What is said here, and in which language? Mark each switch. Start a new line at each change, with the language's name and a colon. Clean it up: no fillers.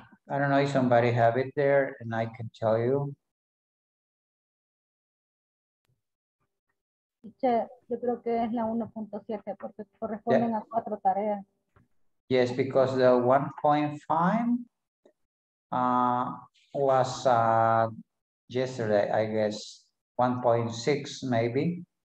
English: I don't know if somebody have it there and I can tell you.
Spanish: Yo creo que es la 1.7 porque corresponden a 4 tareas.
English: Yes, because the 1.5 was yesterday, I guess, 1.6 maybe.